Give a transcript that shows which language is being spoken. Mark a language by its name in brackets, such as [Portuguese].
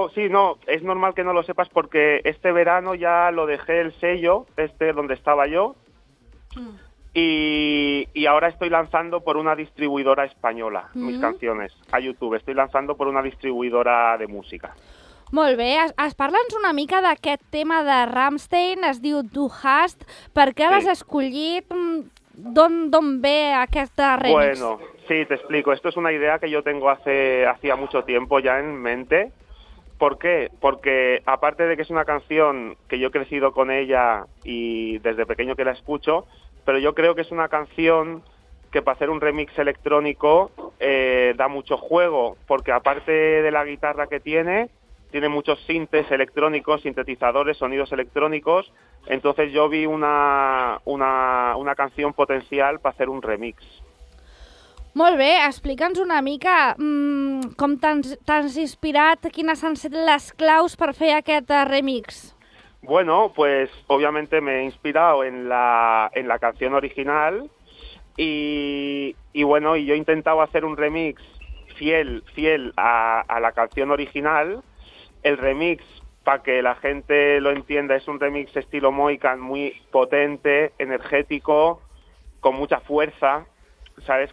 [Spanish] No, es normal que no lo sepas porque este verano ya lo dejé el sello, este donde estaba yo, y ahora estoy lanzando por una distribuidora española mis canciones a YouTube, estoy lanzando por una distribuidora de música. [Catalan] Molt bé, parla'ns una mica d'aquest tema de Rammstein, es diu Du Hast, per què l'has escollit, d'on ve aquesta remix? [Spanish] Bueno, sí, te explico, esto es una idea que yo tengo hacía mucho tiempo ya en mente. ¿Por qué? Porque aparte de que es una canción que yo he crecido con ella y desde pequeño que la escucho, pero yo creo que es una canción que para hacer un remix electrónico da mucho juego, porque aparte de la guitarra que tiene muchos sintes electrónicos, sintetizadores, sonidos electrónicos. Entonces yo vi una canción potencial para hacer un remix. [Catalan] Molt bé, explica'ns una mica com t'has inspirat, quines han sido les claus per fer aquest remix. [Spanish] Bueno, pues obviamente me he inspirado en la canción original y yo he intentado hacer un remix fiel a la canción original. El remix, para que la gente lo entienda, es un remix estilo Moikan, muy potente, energético, con mucha fuerza, ¿sabes?